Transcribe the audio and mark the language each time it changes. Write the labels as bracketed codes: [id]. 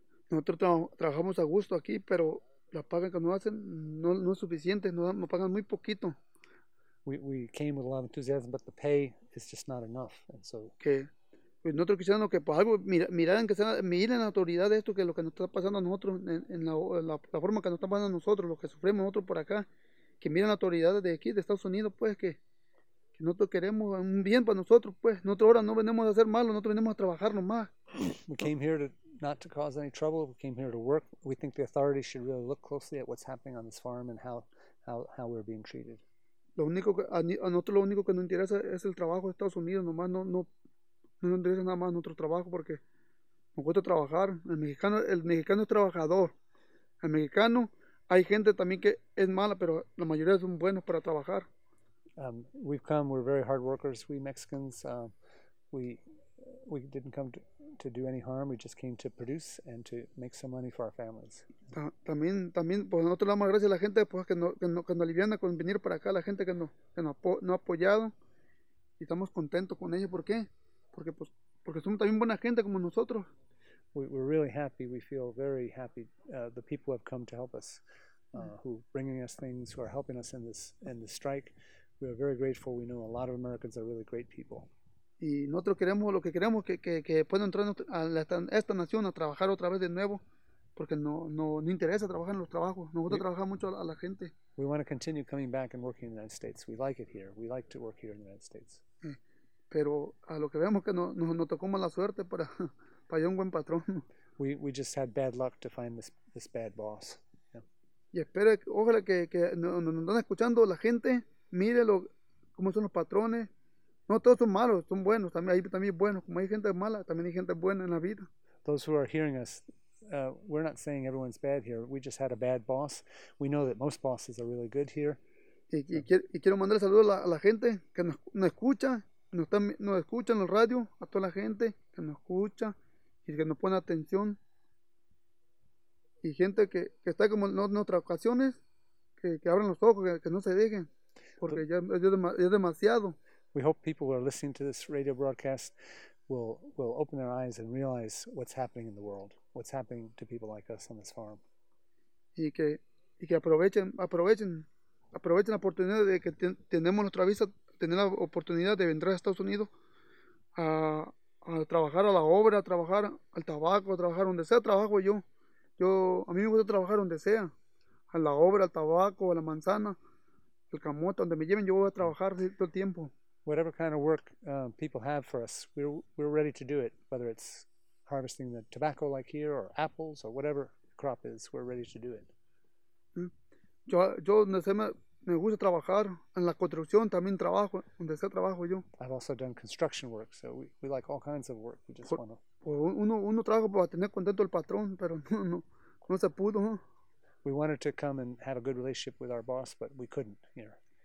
[es] Nosotros trabajamos a gusto aquí, pero la paga que nos hacen no es suficiente, nos pagan muy poquito. [en] We came with a lot of enthusiasm, but the pay is just not enough. And so, [es] pues nosotros quisiéramos que pues algo miren la autoridad de esto, que lo que nos está pasando a nosotros en la forma que nos está pasando a nosotros, lo que sufrimos nosotros por acá, que miren la autoridad de aquí, de Estados Unidos, pues que nosotros queremos un bien para nosotros, pues nosotros ahora no venimos a hacer malo, nosotros venimos a trabajar nomás. [en] We came here not to cause any trouble. We came here to work. We think the authorities should really look closely at what's happening on this farm and how we're being treated. [es] A nosotros lo único que nos interesa es el trabajo de Estados Unidos nomás. No nos interesa nada más nuestro trabajo, porque nos cuesta trabajar. El mexicano es trabajador. El mexicano, hay gente también que es mala, pero la mayoría son buenos para trabajar. [en] We're very hard workers, we Mexicans. We didn't come to do any harm. We just came to produce and to make some money for our families. [es] También pues nosotros le damos gracias a la gente pues que nos aliviana con venir para acá, la gente que nos ha apoyado, y estamos contentos con ellos. ¿Por qué? Porque son también buena gente como nosotros. [en] We're really happy. We feel very happy. The people have come to help us, who are bringing us things, who are helping us in this strike. We are very grateful. We know a lot of Americans are really great people. [es] Y nosotros queremos lo que queremos, que puedan entrar a esta nación a trabajar otra vez de nuevo, porque no interesa trabajar en los trabajos. Nos gusta trabajar mucho a la gente. [en] We want to continue coming back and working in the United States. We like it here. We like to work here in the United States. [es] Pero a lo que vemos que no tocó mala suerte para hallar un buen patrón. [en] We just had bad luck to find this bad boss. Yeah. [es] Y espero, ojalá que nos están escuchando la gente, mire cómo son los patrones. No todos son malos, son buenos, también hay buenos. Como hay gente mala, también hay gente buena en la vida. [en] Those who are hearing us, we're not saying everyone's bad here. We just had a bad boss. We know that most bosses are really good here. [es] Y quiero mandar saludos a la gente que nos escucha. Nos escuchan en la radio, a toda la gente que nos escucha y que nos pone atención. y gente que está como en otras ocasiones, que abran los ojos, que no se dejen, porque ya es demasiado. [en] We hope people who are listening to this radio broadcast will open their eyes and realize what's happening in the world, what's happening to people like us on this farm. [es] Y que aprovechen la oportunidad de que tenemos nuestra visa, tener la oportunidad de entrar a Estados Unidos a trabajar a la obra, a trabajar al tabaco, a trabajar donde sea, trabajo yo. Yo, a mí me gusta trabajar donde sea, a la obra, al tabaco, a la manzana, al camote, donde me lleven, yo voy a trabajar todo el tiempo. [en] Whatever kind of work people have for us, we're ready to do it, whether it's harvesting the tobacco like here, or apples, or whatever crop is, we're ready to do it. [es] Yo donde sea me gusta trabajar, en la construcción también trabajo, donde sea trabajo yo. [en] I've also done construction work, so we like all kinds of work, we just want to... [es] Uno trabaja para tener contento el patrón, pero no se pudo. [en] We wanted to come and have a good relationship with our boss, but we couldn't here.